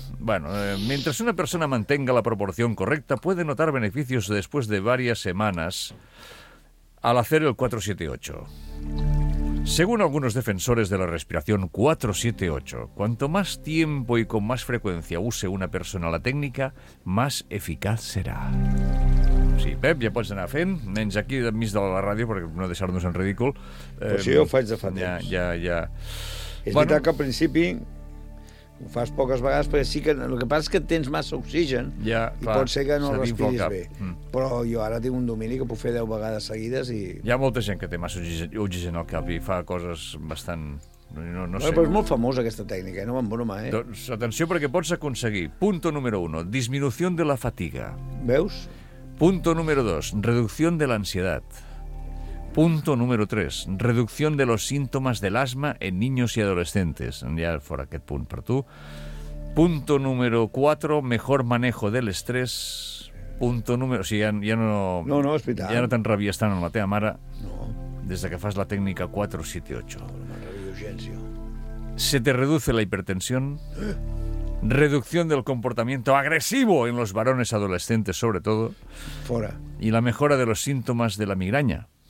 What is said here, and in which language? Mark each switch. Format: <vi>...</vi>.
<es>Bueno, mentre una persona mantenga la proporció correcta, puede notar beneficios después de varias semanas al hacer el 478. Según algunos defensores de la respiración 478, cuanto más tiempo y con más frecuencia use una persona la técnica, más eficaz será.</es> <ca>Sí, Pep, ja pots anar fent. Menys aquí, enmig de la ràdio, perquè no deixar-nos en ridícul. Però si jo ho faig de fa temps. Ja. És veritat que al principi ho fas poques vegades, perquè sí que el que passa és que tens massa oxigen i pot ser que no respiris bé. Però jo ara tinc un domini que puc fer 10 vegades seguides i... Hi ha molta gent que té massa oxigen al cap i fa coses bastant... Però és molt famosa aquesta tècnica, no van broma, eh? Doncs atenció, perquè pots aconseguir.</ca> <es>Punto número</es> <ca>1, disminució de la fatiga. Veus?</ca> <es>Punto número</es> <ca>2, reducció de l'ansietat.</ca> <es>Punto número 3, reducció de los síntomas del asma en niños y adolescentes.</es> <ca>Ja fora aquest punt per tu.</ca> <es>Punto número 4, mejor manejo del estrés. Punto número...</es> <ca>O sigui, ja no és veritat. Ja no te'n rebies tant amb la teva mare. No. Des de que fas la tècnica 478. No, me'n rebi d'urgència.</ca> <es>Se te reduce la hipertensión. Reducción del comportamiento agresivo en los varones adolescentes, sobre todo.</es> <ca>Fora.</ca> <es>Y la mejora de los síntomas de la migraña.</es>